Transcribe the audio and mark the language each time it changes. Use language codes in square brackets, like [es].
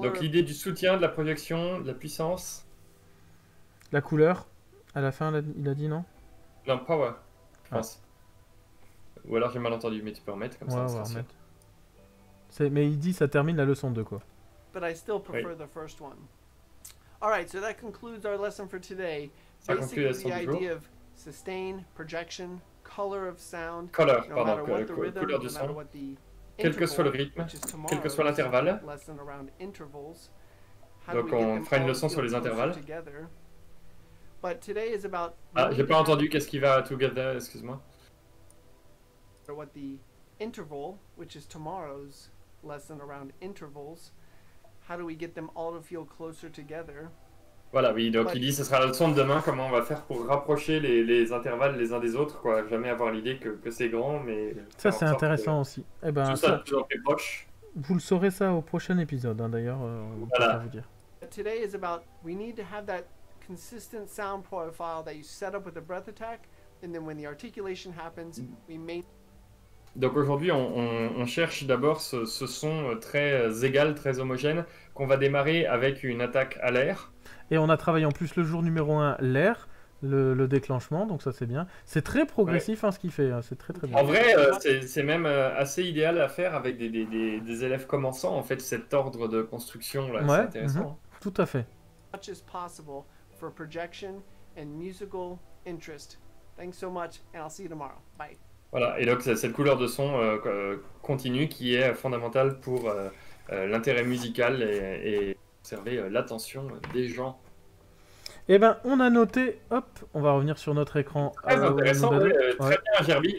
[fr] Donc l'idée du soutien, de la projection, de la puissance. La couleur. À la fin, il a dit non. Non, power. Je pense. Ou alors j'ai mal entendu, mais tu peux remettre comme ouais, ça. Ouais, remettre. Mais il dit ça termine la leçon 2, quoi. [en] But I still prefer the first one. All right, so that concludes our lesson for today. [fr] Ça conclut la leçon du jour. [en] Basically, the idea of sustain, projection, color of sound. [fr] Color, pardon, couleur du son. Quel que soit le rythme, quel que soit l'intervalle. Donc on fera une leçon sur les intervalles. [en] But today is about. [fr] Ah, j'ai pas entendu qu'est-ce qui va together, excuse-moi. [en] What the interval, which is tomorrow's lesson around intervals, how do we get them all to feel closer together? [fr] Voilà, oui, donc il dit ce sera la leçon de demain, comment on va faire pour rapprocher les intervalles les uns des autres, quoi. Jamais avoir l'idée que c'est grand, mais. Ça, c'est intéressant aussi. Eh ben, tout ça, toujours plus proche. Vous le saurez ça au prochain épisode, hein, d'ailleurs. Voilà. Ça vous dire. [en] Today is about we need to have that consistent sound profile that you set up with the breath attack, and then when the articulation happens, we may. [fr] Donc aujourd'hui, on cherche d'abord ce son très égal, très homogène, qu'on va démarrer avec une attaque à l'air. Et on a travaillé en plus le jour numéro 1, l'air, le déclenchement, donc ça c'est bien. C'est très progressif ouais. hein, ce qu'il fait, hein. C'est très très bien. En vrai, c'est même assez idéal à faire avec des élèves commençants, en fait, cet ordre de construction là, ouais. c'est intéressant. Mm-hmm. Tout à fait. [en] Much as possible for projection and musical interest. Thanks so much and I'll see you tomorrow. Bye. [fr] Voilà, et donc cette couleur de son continue qui est fondamentale pour l'intérêt musical et observer l'attention des gens. Eh bien, on a noté, hop, on va revenir sur notre écran. Très intéressant, ouais, très ouais. bien, Gerbi.